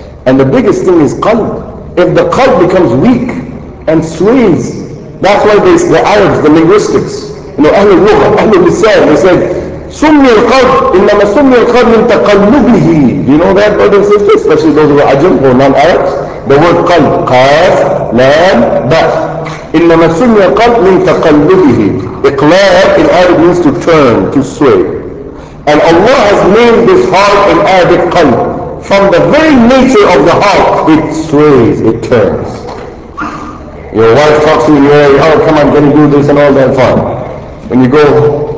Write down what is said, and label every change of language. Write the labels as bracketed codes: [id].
[en] And the biggest thing is قلب. If the قلب becomes weak and sways, that's why the Arabs, the linguistics, you know, [ar] أهل اللغة, أهل اللسان, [en] they said, [ar] سمي القلب إنما سمي القلب من تقلبه. [en] Do you know that, brothers and sisters? Especially those who are Ajam or non-Arabs. The word [ar] قلب, قاف, لام, باء. إنما سمي القلب من تقلبه. [en] إقلاب in Arabic means to turn, to sway. And Allah has named this heart in Arabic قلب. From the very nature of the heart, it sways, it turns. Your wife talks to you, oh, come on, can you do this and all that, fine. When you go